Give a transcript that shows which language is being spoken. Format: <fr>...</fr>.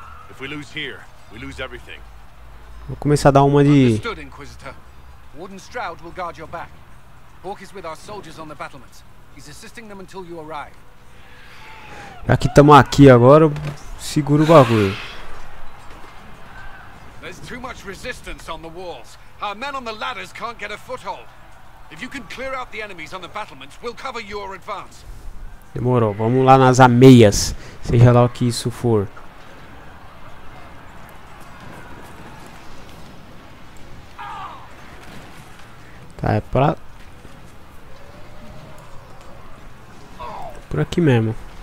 <en>If we lose here, we lose everything.</en> <pt>Vou começar a dar uma de</pt> <en>Understood, Inquisitor. Warden Stroud will guard your back. Hawk is with our soldiers on the battlements. He's assisting them until you arrive.</en> <pt>Já que estamos aqui agora, seguro o bagulho.</pt> <en>There's too much resistance on the walls. Our men on the ladders can't get a foothold. If you can clear out the enemies on the battlements, we'll cover your advance.</en> <pt>Demorou, vamos lá nas ameias, seja lá o que isso for. Tá, é pra por aqui mesmo.</pt>